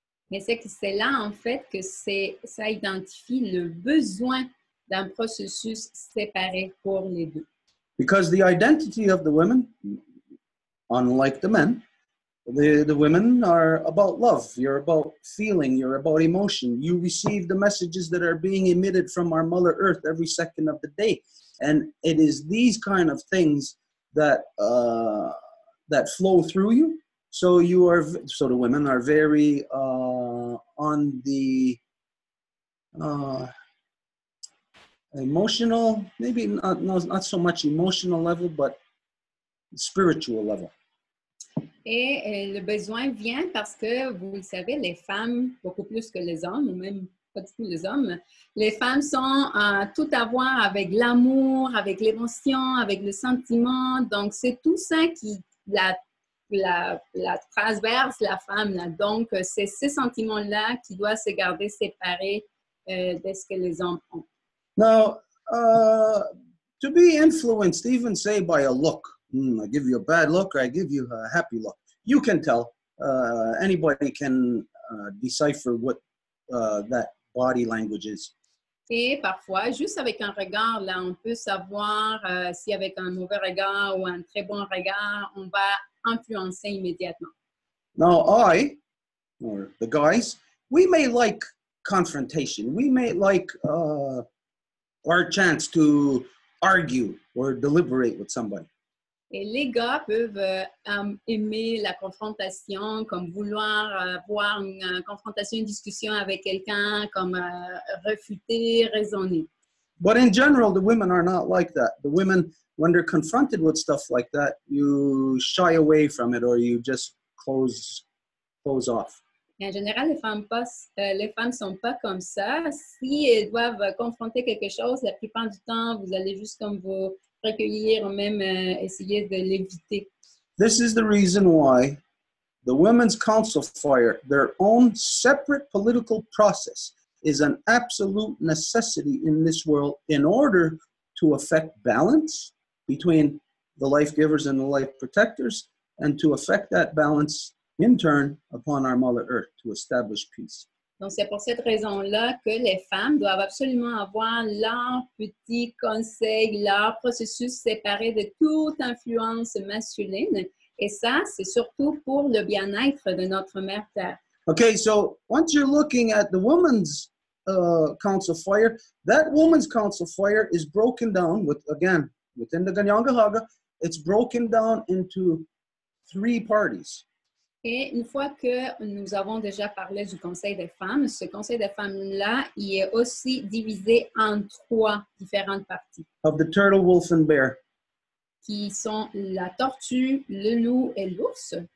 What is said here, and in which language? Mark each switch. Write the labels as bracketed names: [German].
[French] Mais c'est que c'est là en fait que c'est ça identifie le besoin d'un processus séparé pour les deux. [English] Because the identity of the women, unlike the men, The women are about love, you're about feeling, you're about emotion. You receive the messages that are being emitted from our Mother Earth every second of the day. And it is these kind of things that flow through you. So the women are very on the emotional, maybe not so much emotional level, but spiritual level. [French] Et le besoin vient parce que, vous le savez, les femmes, beaucoup plus que les hommes, ou même pas du tout les hommes, les femmes sont tout à voir avec l'amour, avec l'émotion, avec le sentiment. Donc, c'est tout ça qui la transverse la femme. Là. Donc, c'est ces sentiments-là qui doivent se garder séparés de ce que les hommes ont. [English] Now, to be influenced, even say by a look, I give you a bad look, or I give you a happy look. You can tell. Anybody can decipher what that body language is. [French] Et parfois, juste avec un regard, là, on peut savoir si avec un mauvais regard ou un très bon regard, on va influencer immédiatement. [English] Now, I, or the guys, we may like confrontation. We may like our chance to argue or deliberate with somebody. [French] Et les gars peuvent aimer la confrontation, comme vouloir avoir une confrontation, une discussion avec quelqu'un, comme réfuter, raisonner. [English] But in general, the women are not like that. The women, when they're confronted with stuff like that, you shy away from it or you just close off. [French] Et en général, les femmes sont pas comme ça. Si elles doivent confronter quelque chose, la plupart du temps, vous allez juste comme vous recueillir ou même essayer de l'éviter. [English] This is the reason why the Women's Council Fire, their own separate political process, is an absolute necessity in this world in order to affect balance between the life givers and the life protectors, and to affect that balance in turn upon our Mother Earth to establish peace. [French] Donc c'est pour cette raison-là que les femmes doivent absolument avoir leur petit conseil, leur processus séparé de toute influence masculine. Et ça, c'est surtout pour le bien-être de notre mère Terre. [English] Okay, so once you're looking at the woman's council fire. That woman's council fire is broken down, with again, within the Ganyangahaga, it's broken down into three parties. [French] Et une fois que nous avons déjà parlé du conseil des femmes, ce conseil des femmes-là, il est aussi divisé en trois différentes parties. [English] Of the turtle, wolf, and bear. [French] Qui sont la tortue, le loup et l'ours.